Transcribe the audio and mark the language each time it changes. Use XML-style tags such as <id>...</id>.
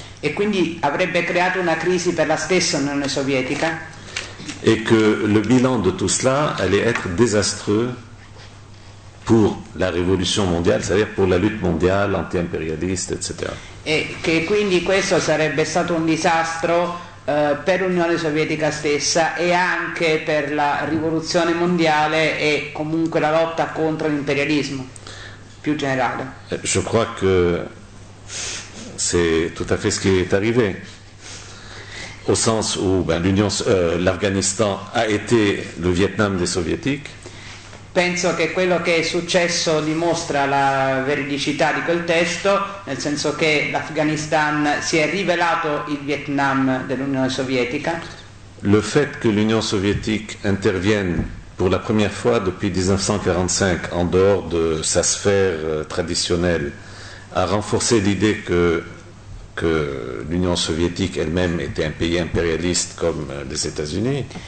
<it>Et quindi avrebbe creato una crisi per la stessa Unione Sovietica.</it> <fr>Et que le bilan de tout cela allait être désastreux pour la révolution mondiale, c'est-à-dire pour la lutte mondiale anti-impérialiste, etc.</fr> <it>E che quindi questo sarebbe stato un disastro per l'Unione Sovietica stessa e anche per la rivoluzione mondiale e comunque la lotta contro l'imperialismo più generale.</it> <fr>Je crois que c'est tout à fait ce qui est arrivé. Au sens où l'Afghanistan a été le Vietnam des soviétiques.</fr> <it>Penso che quello che è successo dimostra la veridicità di quel testo, nel senso che l'Afghanistan si è rivelato il Vietnam dell'Unione Sovietica.</it> <fr>Le fait que l'Union soviétique intervienne pour la première fois depuis 1945 en dehors de sa sphère traditionnelle a renforcé l'idée que l'Unione Sovietica elle-même était un pays impérialiste comme les États-Unis.</fr>